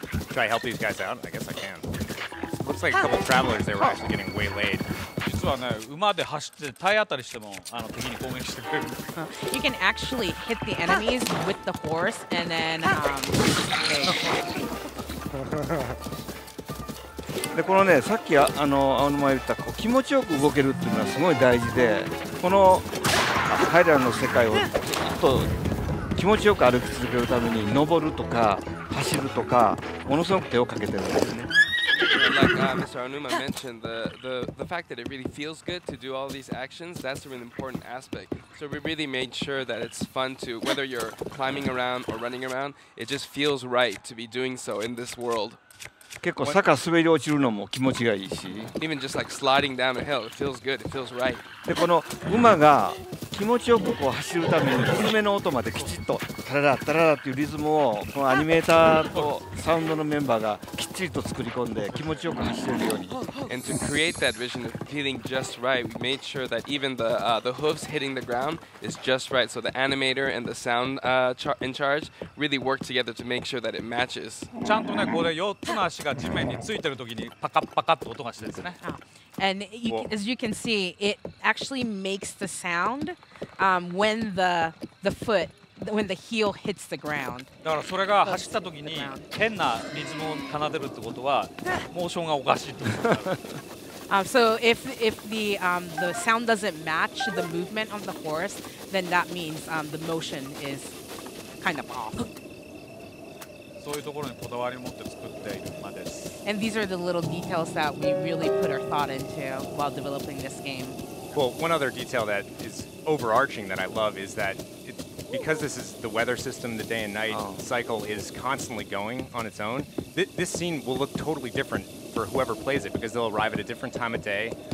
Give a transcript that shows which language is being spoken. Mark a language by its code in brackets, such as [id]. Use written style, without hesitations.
[en] Should I help these guys out? I guess I can. Looks like a couple of travelers, they were actually getting waylaid. You can actually hit the enemies with the horse and then. [ja] でこのね、さっき青沼が言ったこう気持ちよく動けるっていうのはすごい大事で、この彼らの世界をずっと気持ちよく歩き続けるために登るとか走るとかものすごく手をかけてるんですね。 [en] Like Mr. Onuma mentioned, the fact that it really feels good to do all these actions, that's a really important aspect. So we really made sure that it's fun to, whether you're climbing around or running around, it just feels right to be doing so in this world. [ja] 結構坂滑り落ちるのも気持ちがいいし。 [en] Even just like sliding down a hill, it feels good, it feels right. [ja] で、この馬が気持ちよくこう走るために、スズメの音まできちっとタララタララっていうリズムをこのアニメーターとサウンドのメンバーがきっちりと作り込んで気持ちよく走れるように。 [en] And to create that vision of feeling just right, we made sure that even the hooves hitting the ground is just right, so the animator and the sound in charge really work together to make sure that it matches. [ja] ちゃんとね、これ4つの足が地面についてる時にパカッパカッと音がしてるんですね。 [en] And you, as you can see, it actually makes the sound when the foot, when the heel hits the ground. [ja] だからそれが走った時に変なリズムを奏でるってことはモーションがおかしいってこと。 [en] So if the sound doesn't match the movement of the horse, then that means the motion is kind of off. [ja] そういうところにこだわりを持って作っている馬です。 [en] And these are the little details that we really put our thought into while developing this game. Well, one other detail that is overarching that I love is that because this is the weather system, the day and night cycle is constantly going on its own, this scene will look totally different for whoever plays it because they'll arrive at a different time of day.